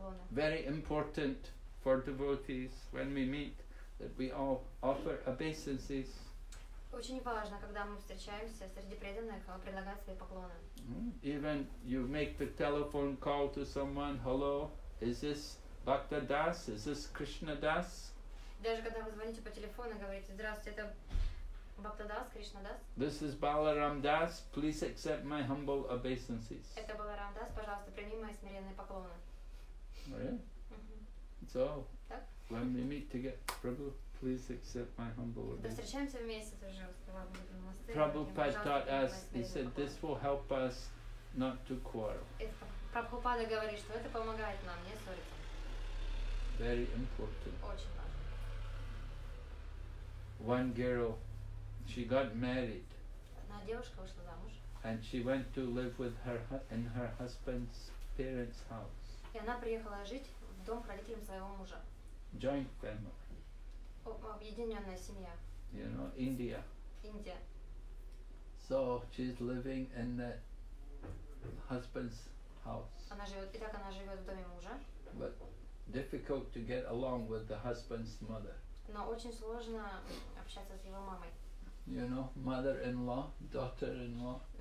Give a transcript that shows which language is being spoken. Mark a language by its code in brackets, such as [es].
[en] Very important for devotees when we meet that we all offer obeisances. [ru] Очень важно, когда мы встречаемся среди преданных, предлагать свои поклоны. [en] Even you make the telephone call to someone, hello, is this Bhakta Das? Is this Krishna Das? [ru] Даже когда вы звоните по телефону и говорите, здравствуйте, это Bhakta Das, Krishna Das? [en] This is Balaram Das, please accept my humble obeisances. [ru] Это Balaram Das, пожалуйста, прими мои смиренные поклоны. [en] Right? So, when we meet together, Prabhu, please accept my humble obeisances. [ru] Встречаемся вместе тоже. [en] Prabhupada taught us, he said, this will help us not to quarrel. [ru] Прабхупада говорит, что это помогает нам не ссориться. [en] Very important. [ru] Очень важно. [en] One girl, she got married. [ru] Одна девушка вышла замуж. [en] And she went to live with her husband's parents' house. [ru] И она приехала жить в дом родителям своего мужа. [en] Joint family. [ru] Объединенная семья. [en] You know, India. [ru] Индия. [en] So she's living in the husband's house. [ru] Она живет в доме мужа. [en] But difficult to get along with the husband's mother. [ru] Но очень сложно общаться с его мамой. [en] You know, mother-in-law, daughter-in-law.